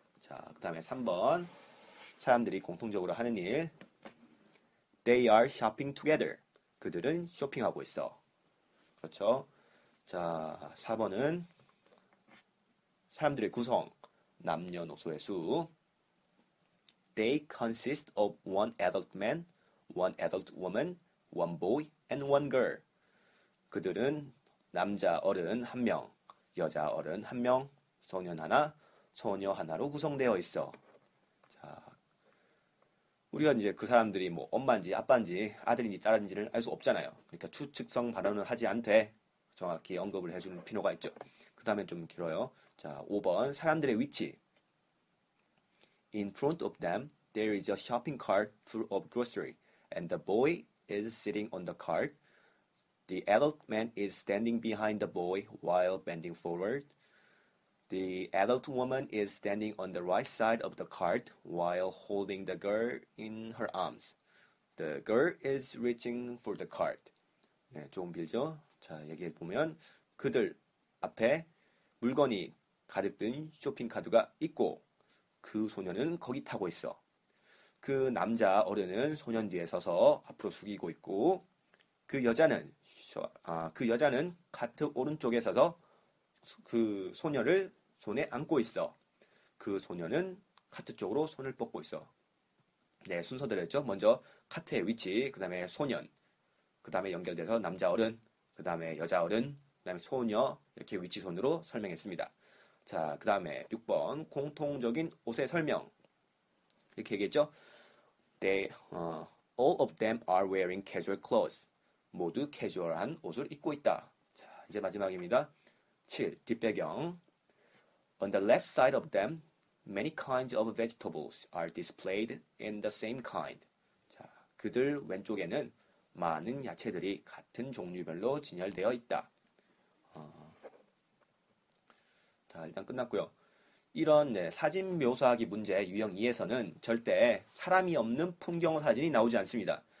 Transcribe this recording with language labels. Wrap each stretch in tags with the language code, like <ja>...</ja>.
<ko>자, 그 다음에 3번, 사람들이 공통적으로 하는 일,</ko> <en>they are shopping together.</en> <ko>그들은 쇼핑하고 있어. 그렇죠? 자, 4번은 사람들의 구성, 남녀노소의 수.</ko> <en>They consist of one adult man, one adult woman, one boy, and one girl.</en> <ko>그들은 남자 어른 한 명, 여자 어른 한 명, 소년 하나, 소녀 하나로 구성되어 있어. 자, 우리가 이제 그 사람들이 뭐 엄마인지 아빠인지 아들인지 딸인지를 알 수 없잖아요. 그러니까 추측성 발언은 하지 않되 정확히 언급을 해줄 필요가 있죠. 그 다음에 좀 길어요. 자, 5번, 사람들의 위치.</ko> <en>In front of them, there is a shopping cart full of grocery, and the boy is sitting on the cart. The adult man is standing behind the boy while bending forward. The adult woman is standing on the right side of the cart while holding the girl in her arms. The girl is reaching for the cart.</en> <ko>네, 조금 길죠? 자, 얘기해 보면 그들 앞에 물건이 가득 든 쇼핑카드가 있고 그 소녀는 거기 타고 있어. 그 남자 어른은 소년 뒤에 서서 앞으로 숙이고 있고 그 여자는 그 여자는 카트 오른쪽에 서서 그 소녀를 손에 안고 있어. 그 소녀는 카트 쪽으로 손을 뻗고 있어. 네, 순서대로였죠. 먼저 카트의 위치, 그 다음에 소년, 그 다음에 연결돼서 남자 어른, 그 다음에 여자 어른, 그 다음에 소녀, 이렇게 위치 손으로 설명했습니다. 자, 그 다음에 6번, 공통적인 옷의 설명. 이렇게 얘기했죠?</ko> <en>All of them are wearing casual clothes.</en> <ko>모두 캐주얼한 옷을 입고 있다. 자, 이제 마지막입니다. 7, 뒷배경.</ko> <en>On the left side of them, many kinds of vegetables are displayed in the same kind.</en> <ko>자, 그들 왼쪽에는 많은 야채들이 같은 종류별로 진열되어 있다. 자, 일단 끝났고요. 이런 네, 사진 묘사하기 문제 유형 2에서는 절대 사람이 없는 풍경 사진이 나오지 않습니다.</ko>